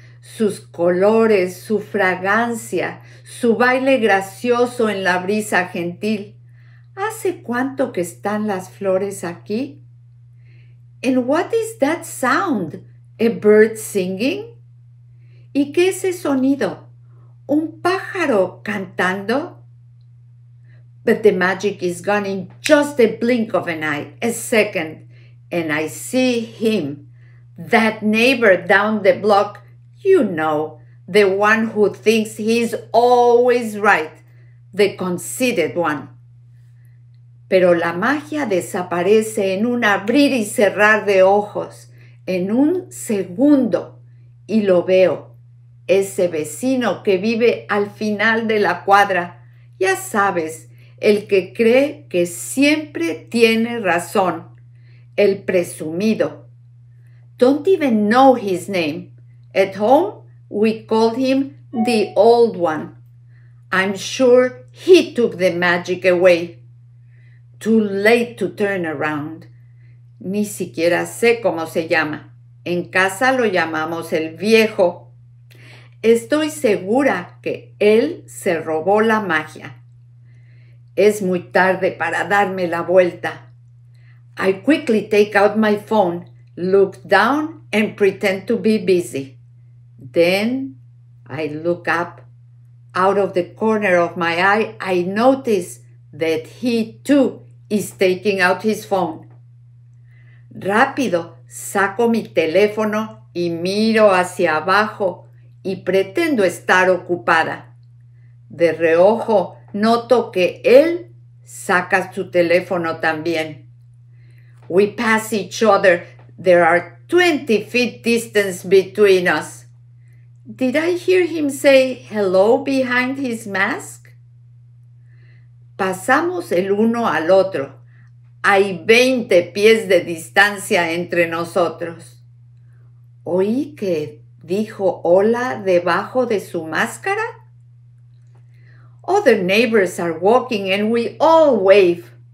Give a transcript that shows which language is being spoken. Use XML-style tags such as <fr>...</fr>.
<es>Sus colores, su fragancia, su baile gracioso en la brisa gentil. ¿Hace cuánto que están las flores aquí?</es> <en>And what is that sound? A bird singing?</en> <es>¿Y qué es ese sonido? ¿Un pájaro cantando?</es> <en>But the magic is gone in just a blink of an eye, a second, and I see him, that neighbor down the block, you know, the one who thinks he's always right, the conceited one.</en> <es>Pero la magia desaparece en un abrir y cerrar de ojos, en un segundo, y lo veo, ese vecino que vive al final de la cuadra, ya sabes, el que cree que siempre tiene razón, el presumido.</es> <en>Don't even know his name. At home, we called him the old one. I'm sure he took the magic away. Too late to turn around.</en> <es>Ni siquiera sé cómo se llama. En casa lo llamamos el viejo. Estoy segura que él se robó la magia. Es muy tarde para darme la vuelta.</es> <en>I quickly take out my phone, look down, and pretend to be busy. Then I look up. Out of the corner of my eye, I notice that he too is taking out his phone.</en> <es>Rápido, saco mi teléfono y miro hacia abajo y pretendo estar ocupada. De reojo, noto que él saca su teléfono también.</es> <en>We pass each other. There are 20 feet distance between us. Did I hear him say hello behind his mask?</en> <es>Pasamos el uno al otro. Hay 20 pies de distancia entre nosotros. ¿Oí que dijo hola debajo de su máscara?</es> <en>Other neighbors are walking and we all wave.</en>